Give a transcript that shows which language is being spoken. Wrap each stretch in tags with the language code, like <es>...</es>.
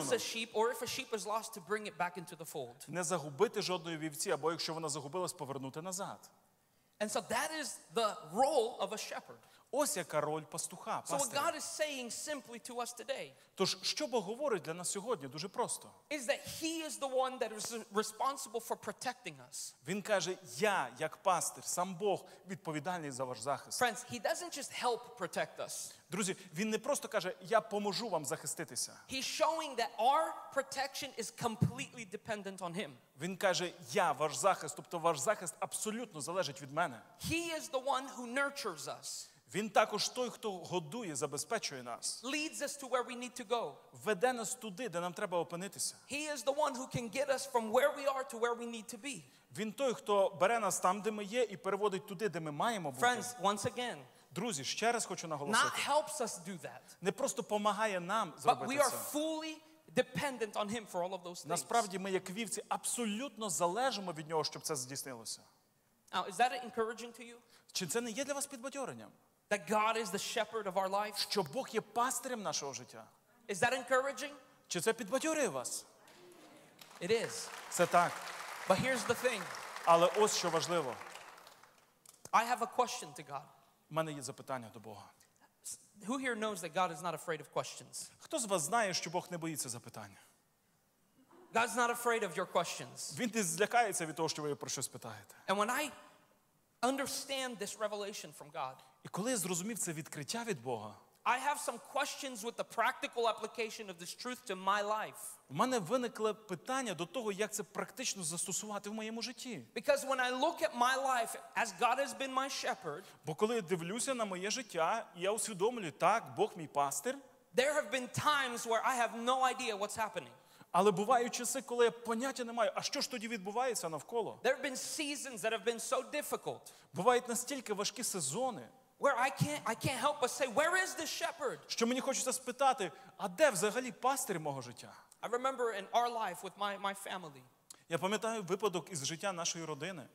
<en>To not lose a sheep or if a sheep is lost to bring it back into the fold.</en> <uk>Не загубити жодної вівці або якщо вона загубилась, повернути назад.</uk> <en>And so that is the role of a shepherd.</en> <uk>Ось яка роль пастуха, пастиря.</uk> <en>So God is saying simply to us today.</en> <uk>Тож що Бог говорить для нас сьогодні, дуже просто.</uk> <en>Is that he is the one that is responsible for protecting us.</en> <uk>Він каже: "Я, як пастир, сам Бог відповідальний за ваш захист".</uk> <en>Friends, he doesn't just help protect us.</en> <uk>Друзі, він не просто каже: "Я поможу вам захиститися".</uk> <en>He's showing that our protection is completely dependent on him.</en> <uk>Він каже: "Я ваш захист", тобто ваш захист абсолютно залежить від мене.</uk> <en>He is the one who nurtures us.</en> <uk>Він також той, хто годує, забезпечує нас.</uk> <en>Leads us to where we need to go.</en> <uk>Веде нас туди, де нам треба опинитися.</uk> <en>He is the one who can get us from where we are to where we need to be.</en> <uk>Він той, хто бере нас там, де ми є, і переводить туди, де ми маємо бути.</uk> <en>Friends, once again.</en> <uk>Друзі, ще раз хочу наголосити.</uk> <en>Not helps us do that.</en> <uk>Не просто помагає нам зробити</uk> <en>But we are fully dependent on him for all of those things.</en> <uk>Насправді ми, як вівці, абсолютно залежимо від нього, щоб це здійснилося.</uk> <en>Now, is that encouraging to you?</en> <uk>Чи це не є для вас підбадьоренням?</uk> <en>That God is the shepherd of our life.</en> <uk>Що Бог є пастирем нашого життя.</uk> <en>Is that encouraging?</en> <uk>Чи це підбадьорює вас?</uk> <en>It is.</en> <uk>Це так.</uk> <en>But here's the thing.</en> <uk>Але ось що важливо.</uk> <en>I have a question to God.</en> <uk>У мене є запитання до Бога.</uk> <en>Who here knows that God is not afraid of questions?</en> <uk>Хто з вас знає, що Бог не боїться запитань?</uk> <en>God's not afraid of your questions.</en> <uk>Він не злякається від того, що ви його про щось питаєте.</uk> <en>And when I understand this revelation from God.</en> <uk>І коли я зрозумів це відкриття від Бога.</uk> <en>I have some questions with the practical application of this truth to my life.</en> <uk>У мене виникло питання до того, як це практично застосувати в моєму житті.</uk> <en>Because when I look at my life as God has been my shepherd.</en> <uk>Бо коли я дивлюся на моє життя, я усвідомлюю, так, Бог мій пастир.</uk> <en>There have been times where I have no idea what's happening.</en> <uk>Але бувають часи, коли я поняття не маю, а що ж тоді відбувається навколо?</uk> <en>There have been seasons that have been so difficult.</en> <uk>Бувають настільки важкі сезони.</uk> <en>Where I can't help but say, where is the shepherd?</en> <uk>Що мені хочеться спитати, а де взагалі пастир мого життя?</uk> <en>I remember in our life with my family.</en> <uk>Я пам'ятаю випадок із життя нашої родини.</uk>